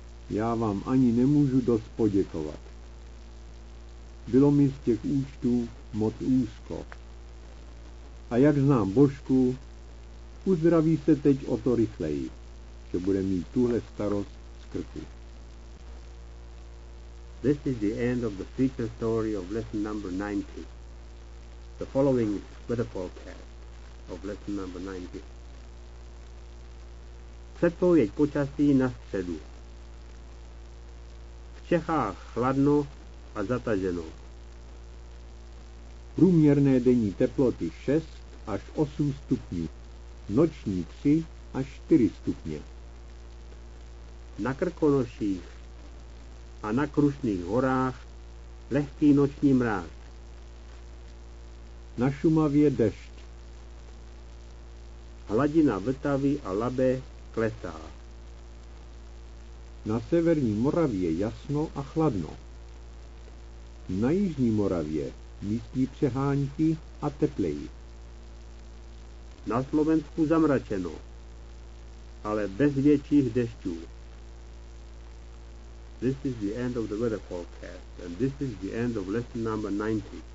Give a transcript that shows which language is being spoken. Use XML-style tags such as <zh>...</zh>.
<cs>Já vám ani nemůžu dost poděkovat. Bylo mi z těch účtů moc úzko. A jak znám Božku, uzdraví se teď o to rychleji, že bude mít tuhle starost z krku.</cs> <en>This is the end of the feature story of lesson number 90. The following is weather forecast of lesson number 90.</en> <cs>Předpověď počasí na středu. V Čechách chladno a zataženo. Průměrné denní teploty 6 až 8 stupňů, noční 3 až 4 stupně. Na Krkonoších a na Krušných horách lehký noční mráz. Na Šumavě dešť. Hladina Vltavy a Labe klesá. Na severní Moravě jasno a chladno. Na jižní Moravě místní přehánky a tepleji. Na Slovensku zamračeno, ale bez větších dešťů.</cs> <en>This is the end of the weather forecast, and this is the end of lesson number 90.</en>